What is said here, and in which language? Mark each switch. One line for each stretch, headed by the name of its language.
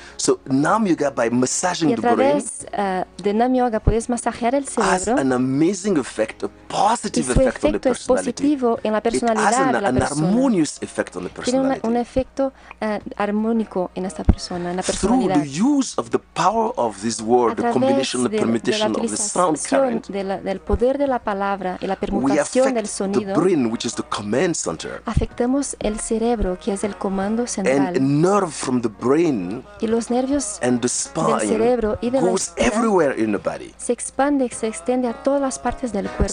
English: So Nam Yoga by massaging the brain,
Spanish: y a través de Nam Yoga puedes masajear el cerebro,
English: has an amazing effect, a positive
Spanish: y su
English: effect
Spanish: efecto
English: on the
Spanish: es positivo en la personalidad an, de la persona.
English: An harmonious effect on the personality.
Spanish: Tiene un efecto armónico en esta persona, en la personalidad.
English: Through the use of the power of this word, the combination, the permutation of the sound current,
Spanish: del poder de la palabra y la permutación del sonido,
English: the brain, which is the command center,
Spanish: afectamos el cerebro, que es el comando central,
English: and a nerve from the brain,
Spanish: y los nervios
English: and the spine
Spanish: del cerebro y de
English: goes
Spanish: la espina
English: everywhere in the body.
Spanish: Se expande, se extiende a todas las partes del cuerpo.